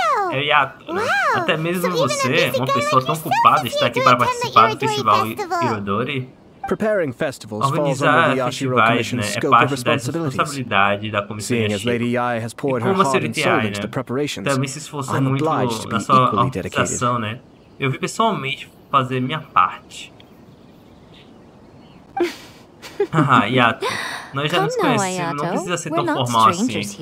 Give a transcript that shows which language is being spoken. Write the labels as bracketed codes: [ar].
[pt] É o Yato, né? Até mesmo você, uma pessoa tão ocupada, está aqui para participar do festival Iridori? [en] Preparing festivals organizar falls under the Yashiro Commission's scope of responsibilities. Seeing as Lady Yai has poured her heart and soul into the preparations, I'm obliged to be equally dedicated. [pt] Né? Eu vi pessoalmente fazer minha parte. Yato, nós já nos conhecemos, não precisa ser tão formal assim.